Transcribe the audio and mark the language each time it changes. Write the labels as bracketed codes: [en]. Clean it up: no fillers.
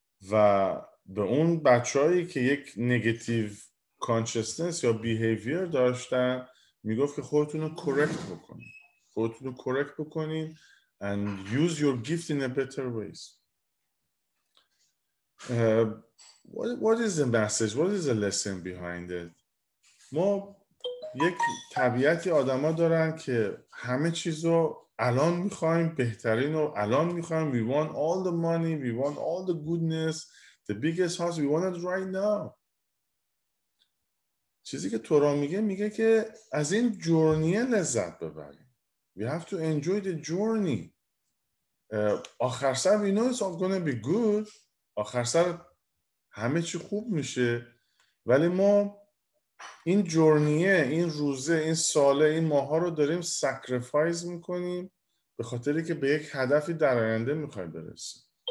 [fa] و به اون بچه‌هایی که یک نگاتیو کانشسنس یا بیهیویر داشتن میگفت که خودتون رو کرکت بکنین، خودتون رو کرکت بکنین [en] and use your gift in a better ways. What is the message? What is the lesson behind it? [fa] ما یک طبیعتی آدم ها دارن که همه چیزو الان میخواییم، بهترین رو الان میخواییم. [en] We want all the money, we want all the goodness, the biggest house, we want it right now. [fa] چیزی که تورا میگه، میگه که از این جورنیه لذت ببریم. [en] We have to enjoy the journey. [fa] آخر سر [en] we know it's all gonna be good. [fa] آخر سر همه چی خوب میشه، ولی ما این جورنیه، این روزه، این ساله، این ماها رو داریم سکریفایز میکنیم به خاطری که به یک هدفی در آینده میخوای برسیم.